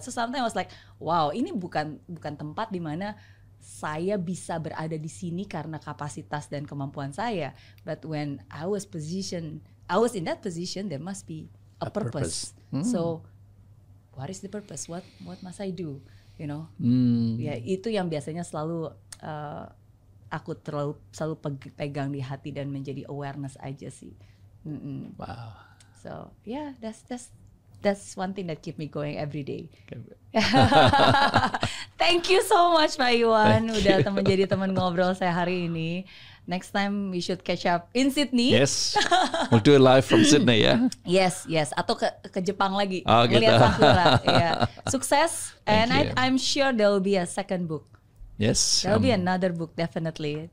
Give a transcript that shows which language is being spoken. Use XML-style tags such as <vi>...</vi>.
<en>So sometimes I was like, wow,</en> <id>ini bukan tempat di mana saya bisa berada di sini karena kapasitas dan kemampuan saya,</id> <en>but when I was in that position, there must be a purpose. Hmm. So, what is the purpose? What must I do? You know? Hmm.</en> <id>Ya itu yang biasanya selalu aku selalu pegang di hati dan menjadi awareness aja sih. Mm-mm. Wow.</id> <en>So, yeah, that's one thing that keep me going every day. Thank you so much, Pak Iwan.</en> <id>Udah menjadi teman ngobrol saya hari ini.</id> <en>Next time we should catch up in Sydney. Yes. We'll do it live from Sydney, ya? Yeah?</en> <id>Yes. Atau ke Jepang lagi. Oh, gitu. Melihat Sakura. Sukses.</id> <en>And I'm sure there will be a second book. Yes. There will be another book, definitely.</en>